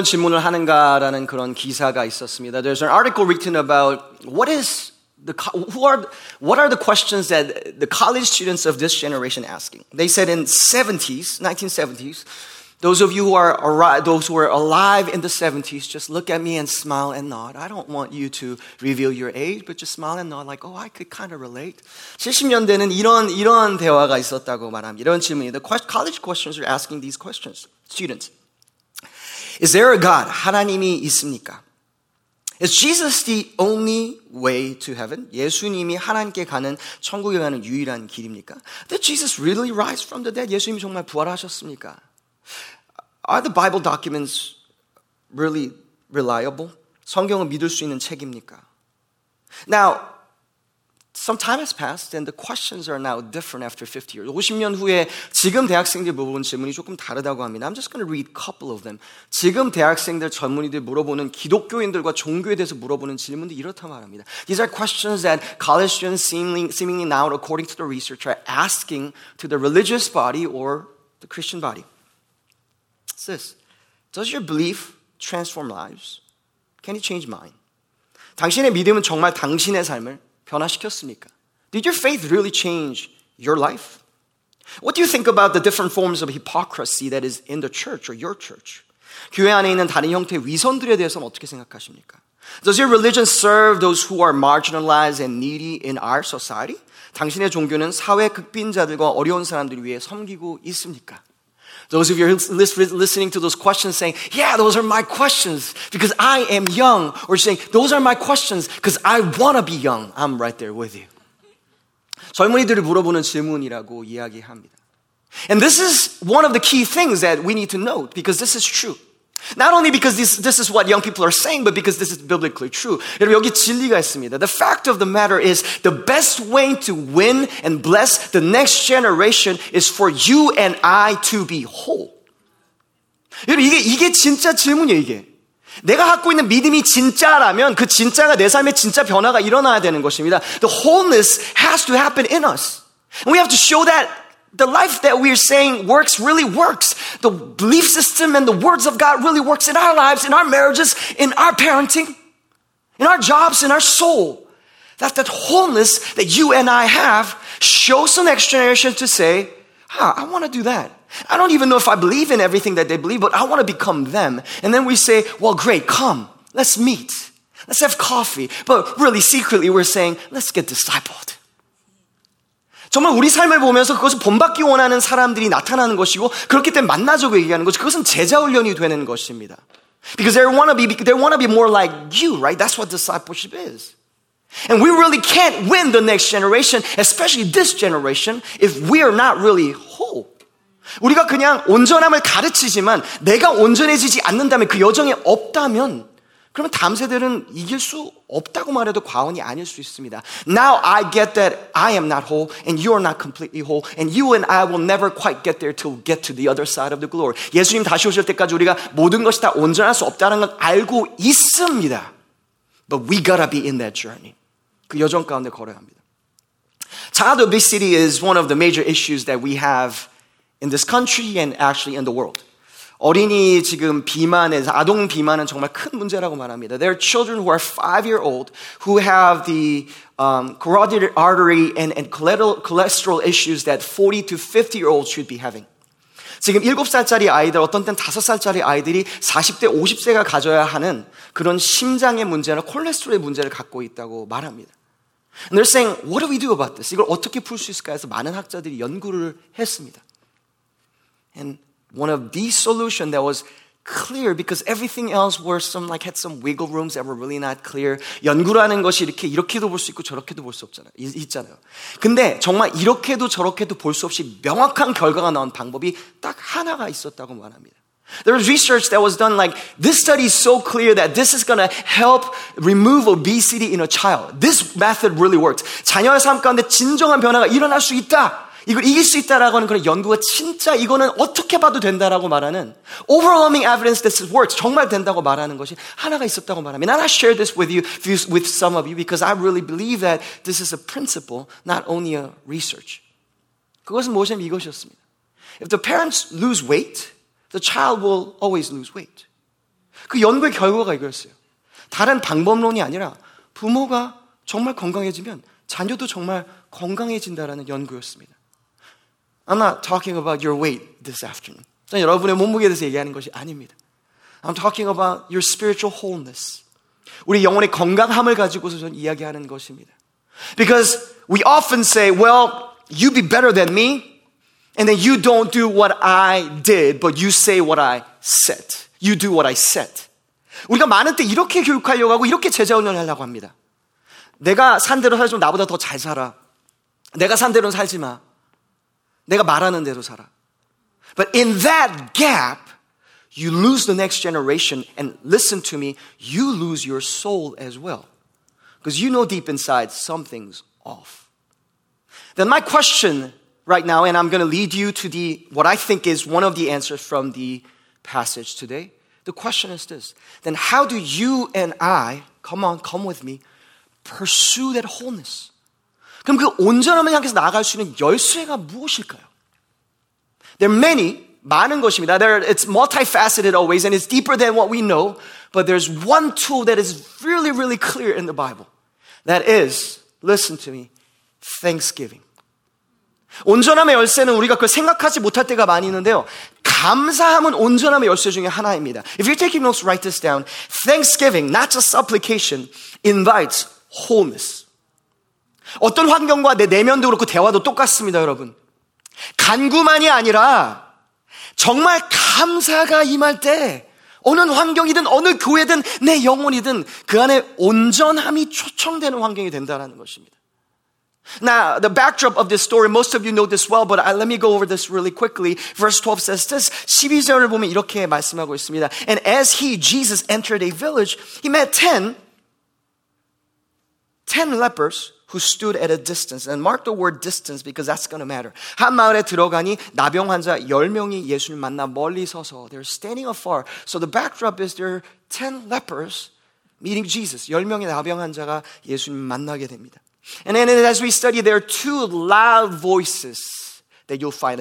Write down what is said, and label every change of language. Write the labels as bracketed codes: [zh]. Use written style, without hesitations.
[en] There's an article written about what are the questions that the college students of this generation asking. They said in 1970s, those who are alive in the 70s, just look at me and smile and nod. I don't want you to reveal your age, but just smile and nod like, "Oh, I could kind of relate." [ko] 70년대는 이런 대화가 있었다고 말합니다. 이런 질문이 [en] the college questions are asking these questions, students. Is there a God? [ko] 하나님이 있습니까? [en] Is Jesus the only way to heaven? [ko] 예수님이 하나님께 가는, 천국에 가는 유일한 길입니까? [en] Did Jesus really rise from the dead? [ko] 예수님이 정말 부활하셨습니까? [en] Are the Bible documents really reliable? [ko] 성경을 믿을 수 있는 책입니까? [en] Now, some time has passed and the questions are now different after 50 years. [ko] 50년 후에 지금 대학생들 물어보는 질문이 조금 다르다고 합니다. [en] I'm just going to read a couple of them. [ko] 지금 대학생들 젊은이들 물어보는 기독교인들과 종교에 대해서 물어보는 질문도 이렇다 말합니다. [en] These are questions that college students seemingly now, according to the research, are asking to the religious body or the Christian body. It's this. Does your belief transform lives? Can it change mine? [ko] 당신의 믿음은 정말 당신의 삶을 변화시켰습니까? [en] Did your faith really change your life? What do you think about the different forms of hypocrisy that is in the church or your church? [ko] 교회 안에 있는 다른 형태의 위선들에 대해서는 어떻게 생각하십니까? [en] Does your religion serve those who are marginalized and needy in our society? [ko] 당신의 종교는 사회 극빈자들과 어려운 사람들 위해 섬기고 있습니까? [en] Those of you listening to those questions saying, "Yeah, those are my questions because I am young." Or saying, "Those are my questions because I want to be young." I'm right there with you. [ko] 젊은이들이 물어보는 질문이라고 이야기합니다. [en] And this is one of the key things that we need to note because this is true. Not only because this is what young people are saying, but because this is biblically true. [ko] 여러분, 여기 진리가 있습니다. [en] The fact of the matter is, the best way to win and bless the next generation is for you and I to be whole. [ko] 여러분, 이게 진짜 질문이에요, 이게. 내가 갖고 있는 믿음이 진짜라면 그 진짜가 내 삶에 진짜 변화가 일어나야 되는 것입니다. [en] The wholeness has to happen in us. And we have to show that the life that we are saying works really works. The belief system and the words of God really works in our lives, in our marriages, in our parenting, in our jobs, in our soul. That wholeness that you and I have shows the next generation to say, "Huh, I want to do that." I don't even know if I believe in everything that they believe, but I want to become them. And then we say, well, great, come, let's meet, let's have coffee. But really secretly, we're saying, let's get discipled. [ko] 정말 우리 삶을 보면서 그것을 본받기 원하는 사람들이 나타나는 것이고 그렇기 때문에 만나자고 얘기하는 것이 그것은 제자 훈련이 되는 것입니다. [en] Because they want to be more like you, right? That's what discipleship is. And we really can't win the next generation, especially this generation, if we are not really whole. [ko] 우리가 그냥 온전함을 가르치지만 내가 온전해지지 않는다면 그 여정이 없다면 그러면 다음 세대는 이길 수 없다고 말해도 과언이 아닐 수 있습니다. [en] Now I get that I am not whole and you are not completely whole and you and I will never quite get there till we get to the other side of the glory. [ko] 예수님 다시 오실 때까지 우리가 모든 것이 다 온전할 수 없다는 건 알고 있습니다. [en] But we gotta be in that journey. [ko] 그 여정 가운데 걸어야 합니다. [en] Child obesity is one of the major issues that we have in this country and actually in the world. [ko] 어린이 지금 비만에서 아동 비만은 정말 큰 문제라고 말합니다. [en] There are children who are 5 years old who have the carotid artery and cholesterol issues that 40 to 50 year olds should be having. [ko] 지금 7살짜리 아이들 어떤 때는 5살짜리 아이들이 40대 50세가 가져야 하는 그런 심장의 문제나 콜레스테롤의 문제를 갖고 있다고 말합니다. [en] And they're saying, what do we do about this? [ko] 이걸 어떻게 풀 수 있을까 해서 많은 학자들이 연구를 했습니다. [en] And one of the solutions that was clear because everything else were some like had some wiggle rooms that were really not clear. [ko] 연구라는 것이 이렇게 이렇게도 볼 수 있고 저렇게도 볼 수 없잖아요. 있잖아요. 근데 정말 이렇게도 저렇게도 볼 수 없이 명확한 결과가 나온 방법이 딱 하나가 있었다고 말합니다. [en] There was research that was done like this study is so clear that this is going to help remove obesity in a child. This method really works. [ko] 자녀의 삶 가운데 진정한 변화가 일어날 수 있다. 이걸 이길 수 있다라고 하는 그런 연구가 진짜 이거는 어떻게 봐도 된다라고 말하는 [en] overwhelming evidence that this works [ko] 정말 된다고 말하는 것이 하나가 있었다고 말합니다. [en] And I share this with some of you because I really believe that this is a principle, not only a research. [ko] 그것은 무엇이냐면 이것이었습니다. [en] If the parents lose weight, the child will always lose weight. [ko] 그 연구의 결과가 이거였어요. 다른 방법론이 아니라 부모가 정말 건강해지면 자녀도 정말 건강해진다라는 연구였습니다. [en] I'm not talking about your weight this afternoon. [ko] 저는 여러분의 몸무게에 대해서 얘기하는 것이 아닙니다. [en] I'm talking about your spiritual wholeness. [ko] 우리 영혼의 건강함을 가지고서 저는 이야기하는 것입니다. [en] Because we often say, well, you be better than me, and then you don't do what I did, but you say what I said. You do what I said. [ko] 우리가 많은 때 이렇게 교육하려고 하고 이렇게 제자 훈련을 하려고 합니다. 내가 산 대로 살지 마, 나보다 더 잘 살아. 내가 산 대로 살지 마. 내가 말하는 대로 살아. [en] But in that gap, you lose the next generation. And listen to me, you lose your soul as well. Because you know deep inside, something's off. Then my question right now, and I'm going to lead you to the what I think is one of the answers from the passage today. The question is this. Then how do you and I, come on, come with me, pursue that wholeness? [ko] 그럼 그 온전함을 향해서 나아갈 수 있는 열쇠가 무엇일까요? [en] There are many, [ko] 많은 것입니다. [en] It's multifaceted always and it's deeper than what we know. But there's one tool that is really, really clear in the Bible. That is, listen to me, thanksgiving. [ko] 온전함의 열쇠는 우리가 그걸 생각하지 못할 때가 많이 있는데요. 감사함은 온전함의 열쇠 중에 하나입니다. [en] If you're taking notes, write this down. Thanksgiving, not just supplication, invites wholeness. [ko] 어떤 환경과 내 내면도 그렇고 대화도 똑같습니다, 여러분. 간구만이 아니라 정말 감사가 임할 때 어느 환경이든 어느 교회든 내 영혼이든 그 안에 온전함이 초청되는 환경이 된다는 것입니다. [en] Now, the backdrop of this story, most of you know this well, but let me go over this really quickly. Verse 12 says this, [ko] 12절을 보면 이렇게 말씀하고 있습니다. [en] And as he, Jesus, entered a village, he met 10 lepers, who stood at a distance. And mark the word distance because that's going to matter. [ko] 한 마을에 들어가니 나병 환자 10명이 예수님 만나 멀리 서서. [en] They're standing afar. So the backdrop is there are 10 lepers meeting Jesus. [ko] 10명의 나병 환자가 예수님 만나게 됩니다. [en] And then as we study, there are two loud voices that you'll find.